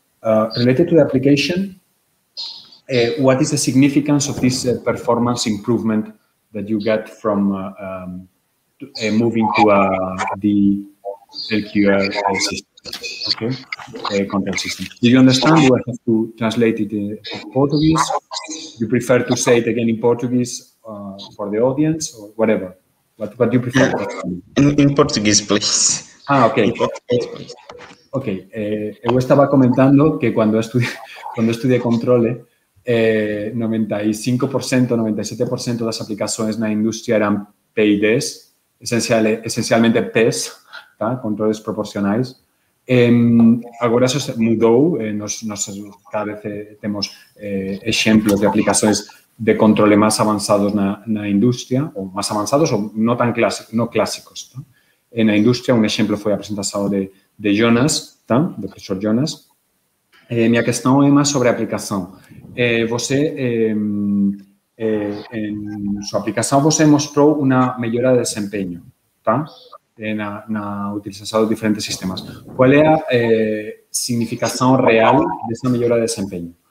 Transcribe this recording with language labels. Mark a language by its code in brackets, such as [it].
[en] Related to the application, what is the significance of this performance improvement that you get from moving to the LQR system, okay, content system? Do you understand? Do I have to translate it in Portuguese? Do you prefer to say it again in Portuguese for the audience or whatever? What do you prefer? In Portuguese, please. Ah, okay. In Portuguese, please. [es] Okay, yo estaba comentando que cuando estudié control, 95% o 97% de las aplicaciones en la industria eran PIDs, esencialmente PES, ¿tá? Controles proporcionales. Ahora eso se mudó, cada vez tenemos ejemplos de aplicaciones de control más avanzados en la industria, o más avanzados o no tan clásicos. ¿Tá? En la industria, un ejemplo fue la presentación de Jonas, tá? [pt] Do professor Jonas. Minha questão é mais sobre a aplicação. Você, em sua aplicação, você mostrou uma melhora de desempenho, tá? Na utilização de diferentes sistemas. Qual é a significação real dessa melhora de desempenho?